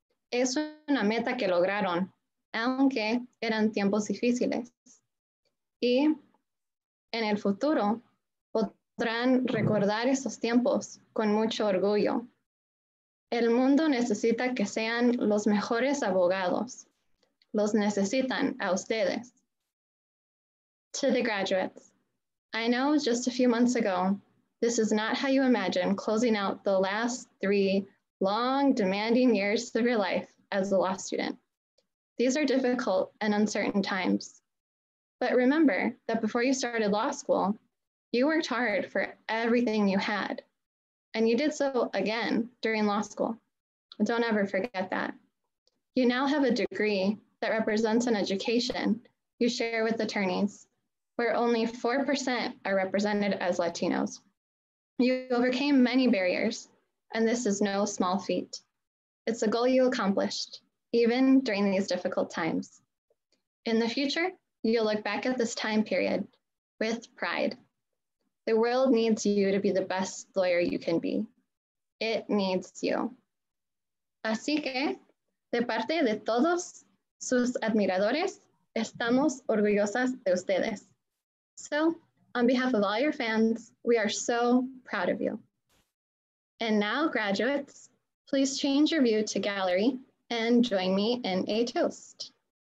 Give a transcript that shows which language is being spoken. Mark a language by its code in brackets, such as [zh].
[es] Es una meta que lograron, aunque eran tiempos difíciles. Y en el futuro podrán recordar esos tiempos con mucho orgullo. El mundo necesita que sean los mejores abogados. Los necesitan a ustedes. [en] To the graduates, I know just a few months ago, this is not how you imagine closing out the last 3 long, demanding years of your life as a law student. These are difficult and uncertain times. But remember that before you started law school, you worked hard for everything you had, and you did so again during law school. Don't ever forget that. You now have a degree that represents an education you share with attorneys, where only 4% are represented as Latinos. You overcame many barriers, and this is no small feat. It's a goal you accomplished, even during these difficult times. In the future, you'll look back at this time period with pride. The world needs you to be the best lawyer you can be. It needs you. [es] Así que, de parte de todos sus admiradores, estamos orgullosas de ustedes. [en] So, on behalf of all your fans, we are so proud of you. And now, graduates, please change your view to gallery and join me in a toast.